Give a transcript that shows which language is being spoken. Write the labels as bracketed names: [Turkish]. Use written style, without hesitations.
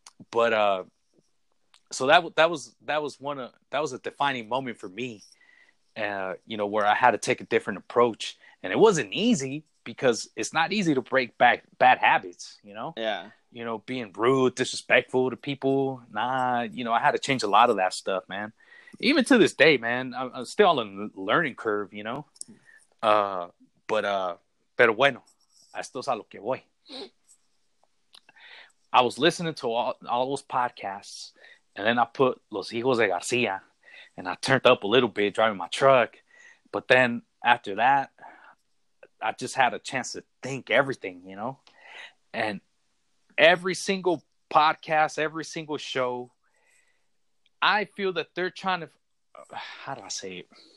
[English] But so that was a defining moment for me, you know, where I had to take a different approach. And it wasn't easy, because it's not easy to break back bad habits, you know. Yeah. You know, being rude, disrespectful to people. Nah, you know, I had to change a lot of that stuff, man. Even to this day, man, I'm still on a learning curve, you know. [Spanish] Pero bueno, esto es a lo que voy. [English] I was listening to all those podcasts, and then I put Los Hijos de García, and I turned up a little bit driving my truck. But then after that, I just had a chance to think everything, you know. And every single podcast, every single show, I feel that they're trying to, how do I say it?